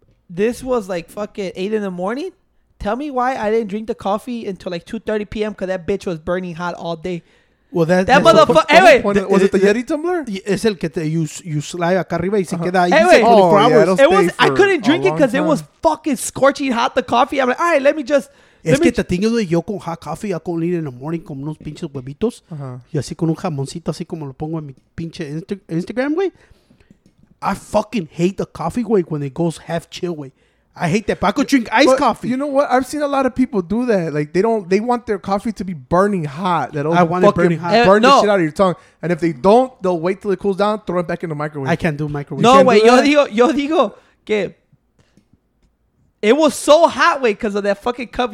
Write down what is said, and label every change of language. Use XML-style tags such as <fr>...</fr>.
<en>This was like fucking 8 in the morning. Tell me why I didn't drink the coffee until like 2:30 p.m. because that bitch was burning hot all day. Well, that motherfucker. Anyway. Was it the Yeti tumbler?</en> <es>Es el que te</es> <en>you slide</en> <es>acá arriba y se queda ahí.</es> <en>Anyway. 24 hours. Yeah, I couldn't drink it because it was fucking scorching hot, the coffee. I'm like, all right, let me just.</en> <es>Es que te tengo yo con</es> <en>hot coffee. I go in the morning</en> <es>con unos pinches huevitos. Uh-huh. Y así con un jamoncito, así como lo pongo en mi pinche Instagram, güey.</es> <en>I fucking hate the coffee, güey, when it goes half chill, güey. I hate that, but I could drink iced coffee. You know what? I've seen a lot of people do that. Like, they want their coffee to be burning hot. I want it burning hot. Burn the shit out of your tongue. And if they don't, they'll wait till it cools down, throw it back in the microwave. I can't do microwave. No, wait.</en> <es>Yo digo que</es> <en>it was so hot, wait, because of that fucking cup.</en>